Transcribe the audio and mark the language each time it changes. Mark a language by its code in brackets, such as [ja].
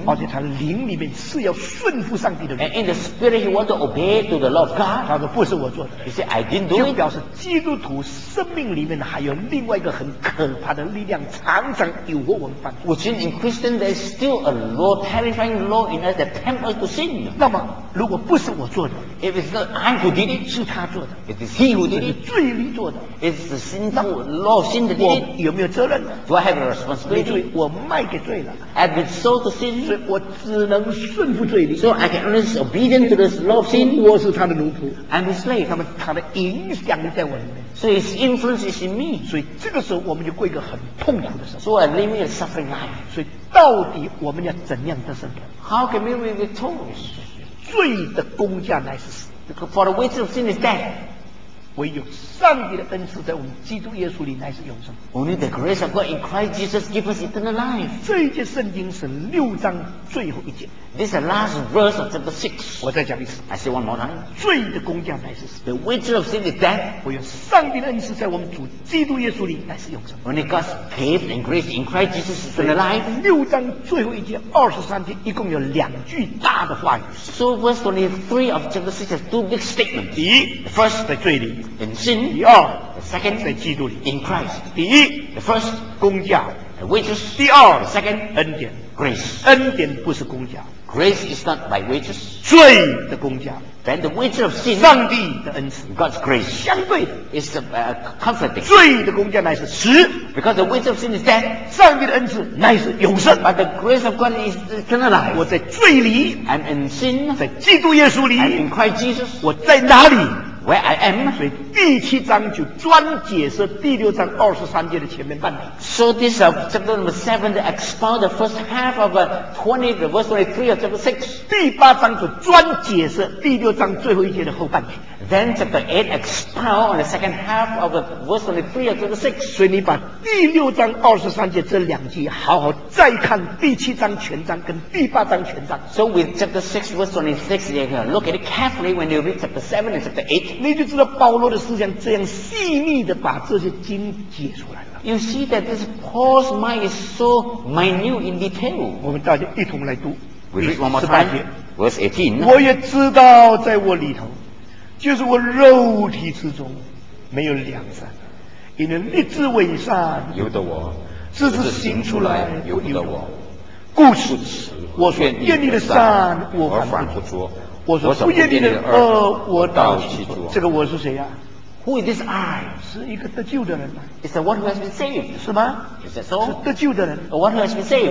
[zh] 而且他灵里面是要顺服上帝的人。 [en] And in the spirit he wants to obey to the law of God. [zh] 他说不是我做的。 [en] He said I didn't do it. [zh] 就表示基督徒生命里面还有另外一个很可怕的力量常常诱惑我们犯罪。 [en] Which means in Christian there is still a law, terrifying law in us that tempts us to sin. [zh] 那么如果不是我做的。 [en] If it's not I who did it. [zh] 是他做的。 [en] It is he who did it. [zh] 罪力做的。 [en] It's the sinful law, sin that did it. [zh] 有没有责任？ [en] Do I have a responsibility? [zh] 我卖给罪了。 [en] I've been sold to sin. [zh] 所以我只能顺服罪力。 [en] So I can only be obedient to this law of sin. [zh] 我是他的奴仆。 [en] I'm his slave. [zh] 他们他的影响力在我里面。 [en] So his influence is in me. [zh] 所以这个时候我们就过一个很痛苦的生活。 [en] So I'm living a suffering life. [zh] 所以到底我们要怎样的生活？ [en] How can we be victorious? [zh] 罪的工价乃是死。 [en] For the wages of sin is death. [zh] 唯有上帝的恩赐在我们基督耶稣里乃是永生。 [en] Only the grace of God in Christ Jesus gives us eternal life。 [zh] 这一节圣经是六章最后一节。 [en] This is the last verse of chapter six。 [zh] 我再讲一次。 [en] I say one more time。 [zh] 罪的工价乃是死。 [en] The wages of sin is death。 [zh] 唯有上帝的恩赐在我们主基督耶稣里乃是永生。 [en] Only God's gift and grace in Christ Jesus is eternal life。 [zh] 六章最后一节二十三节一共有两句大的话语。 [en] So verse 23 of chapter six has two big statements。 [zh] 第一 [en] ，first [zh] 在罪里。 [en] In sin, [zh] 第二 [en] the second, [zh] 在基督里 [en] in Christ, [zh] 第一 [en] the first, [zh] 工价 [en] the wages, [zh] 第二 [en] the second, [zh] 恩典 [en] grace, [zh] 恩典不是工价 [en] grace is not by wages, [zh] 罪的工价 [en] then the wages of sin, [zh] 上帝的恩赐 [en] God's grace, [zh] 相对的 [en] is the, comforting, [zh] 罪的工价乃是死 [en] because the wages of sin is death, [zh] 上帝的恩赐乃是永生 [en] but the grace of God is eternal life, [zh] 我在罪里 [en] I'm in sin, [zh] 在基督耶稣里 [en] I'm in Christ Jesus, [zh] 我在哪里 [en] Where I am, [zh] 所以第七章就专解释第六章二十三节的前面半段。 [en] So this of chapter number seven to expound the first half of a twenty verse 23 of chapter six. [zh] 第八章就专解释第六章最后一节的后半段。 [en] Then chapter eight expound on the second half of a verse 23 of chapter six. [zh] 所以你把第六章二十三节这两句好好再看第七章全章跟第八章全章。 [en] So with chapter six verse 26, you can look at it carefully when you read chapter seven and chapter eight. [zh] 你就知道保罗的思想这样细腻的把这些经解出来了。 [en] You see that this Paul's mind is so minute in detail. [zh] 我们大家一同来读。 [en] We read one more time. Verse 18. [zh] 我也知道在我里头，就是我肉体之中，没有良善，因为立志为善，由得我； 自是行出来，由得我。故此，我所愿意的善，我还不足。我说不愿意的恶，我倒去做。这个我是谁呀、啊、 [en] ？Who is this I？ [zh] 是一个得救的人。 [en] It's the one who has been saved。 [zh] 是吗 [en] ？Is that so？ [zh] 是得救的人。 [en] The one who has been saved。